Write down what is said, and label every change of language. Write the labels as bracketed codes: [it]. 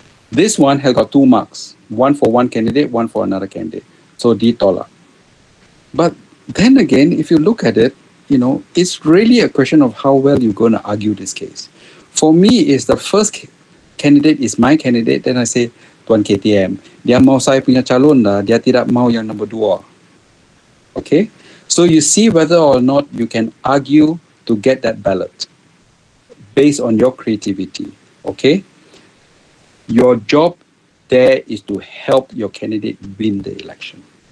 [en] This one has got two marks, one for one candidate, one for another candidate. So [ms] ditolah. [en] But then again, if you look at it, you know, it's really a question of how well you're going to argue this case. For me, it's the first candidate is my candidate. [ms] Then I say, Tuan KTM, dia mau saya punya calon lah, dia tidak mau yang nombor dua. [en] Okay? So you see whether or not you can argue to get that ballot based on your creativity. Okay? Your job there is to help your candidate win the election.